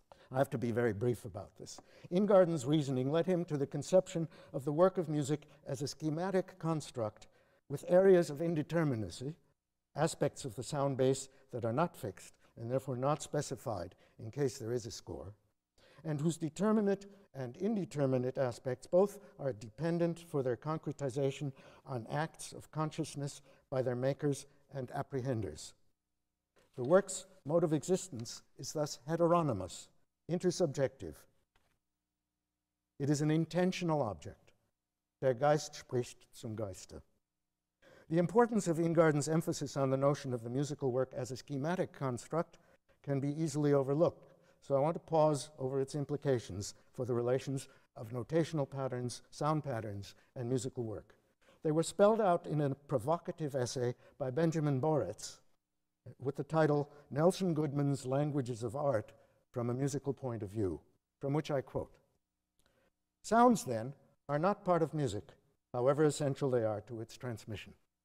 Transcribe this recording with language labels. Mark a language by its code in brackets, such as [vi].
[en] I have to be very brief about this. Ingarden's reasoning led him to the conception of the work of music as a schematic construct with areas of indeterminacy, aspects of the sound base that are not fixed and therefore not specified in case there is a score, and whose determinate and indeterminate aspects both are dependent for their concretization on acts of consciousness by their makers and apprehenders. The work's mode of existence is thus heteronymous, intersubjective. It is an intentional object. [de] Der Geist spricht zum Geiste. [en] The importance of Ingarden's emphasis on the notion of the musical work as a schematic construct can be easily overlooked. So I want to pause over its implications for the relations of notational patterns, sound patterns, and musical work. They were spelled out in a provocative essay by Benjamin Boritz with the title Nelson Goodman's Languages of Art from a Musical Point of View, from which I quote, "Sounds, then, are not part of music, however essential they are to its transmission.